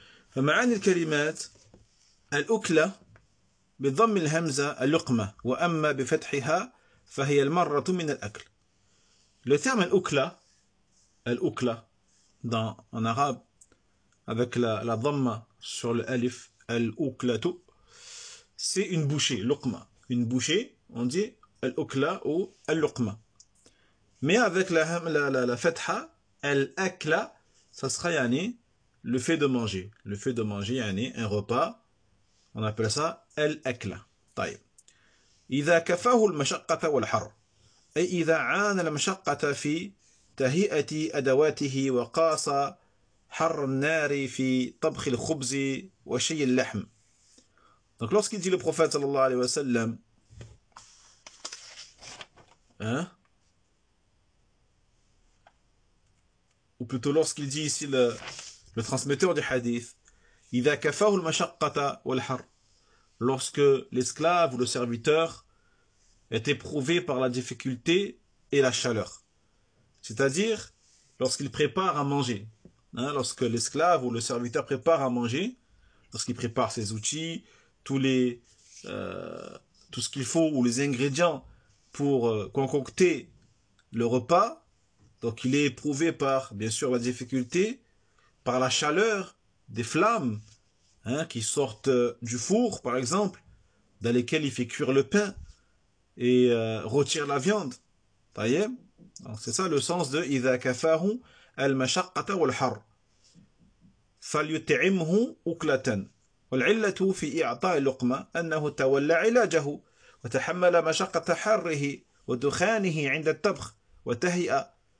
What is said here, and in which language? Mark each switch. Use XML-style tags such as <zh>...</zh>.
<ar>فمعاني الكلمات الأكلة بضم الهمزة اللقمة وأما بفتحها فهي المرة من الأكل.</ar> <fr>Le terme الأكلة dans en arabe avec la dhamma sur le alif الأكلة c'est une bouchée, لقمة. Une bouchée, on dit الأكلة ou اللقمة. Mais avec la fatha, الأكلة, ça sera yani le fait de manger. Le fait de manger, yani un repas, on appelle ça الأكلة.</fr> <ar>طيب. إذا كفاه المشقة والحر. أي إذا عانى المشقة في تهيئة أدواته وقاص حر النار في طبخ الخبز وشي اللحم.</ar> <fr>Donc lorsqu'il dit le prophète صلى الله عليه وسلم, hein? Ou plutôt lorsqu'il dit ici le transmetteur du hadith,</fr> <ar>إِذَا كَفَاهُ الْمَشَقَّةَ وَالْحَرُ</ar> <fr>lorsque l'esclave ou le serviteur est éprouvé par la difficulté et la chaleur. C'est-à-dire lorsqu'il prépare à manger. Hein, lorsque l'esclave ou le serviteur prépare à manger, lorsqu'il prépare ses outils, tout ce qu'il faut ou les ingrédients pour concocter le repas. Donc il est éprouvé par, bien sûr, la difficulté, par la chaleur des flammes hein, qui sortent du four, par exemple, dans lesquelles il fait cuire le pain et retire la viande. Donc c'est ça le sens de</fr> <ar>« إِذَا كَفَاهُ الْمَشَقَّةَ وَالْحَرُ فَلْيُتِعِمْهُ أُكْلَةً وَالْعِلَّةُ فِي إِعْطَاءِ اللُّقْمَةِ أَنَّهُ تَوَلَّى عِلَاجَهُ وَتَحَمَّلَ مَشَقَّةَ حَرِّهِ وَدُخَانِهِ عِنْدَ الطَّبْخِ وَتَهِيَأَ.</ar>